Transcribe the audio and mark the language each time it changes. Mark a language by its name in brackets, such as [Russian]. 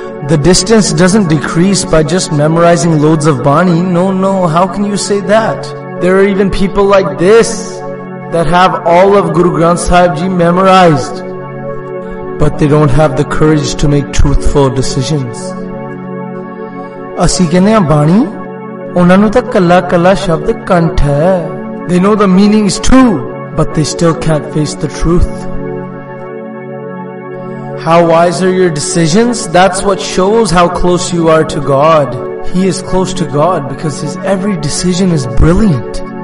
[English] The distance doesn't decrease by just memorizing loads of bani. No, no, how can you say that? There are even people like this that have all of Guru Granth Sahib Ji memorized, but they don't have the courage to make truthful decisions. [Punjabi] ਅਸੀਂ ਕਹਿੰਦੇ ਹਾਂ ਬਾਣੀ ਉਹਨਾਂ ਨੂੰ ਤਾਂ ਕੱਲਾ ਕੱਲਾ ਸ਼ਬਦ ਕੰਠ ਹੈ. [English] They know the meaning is true, but they still can't face the truth. How wise are your decisions? That's what shows how close you are to God. He is close to God because his every decision is brilliant.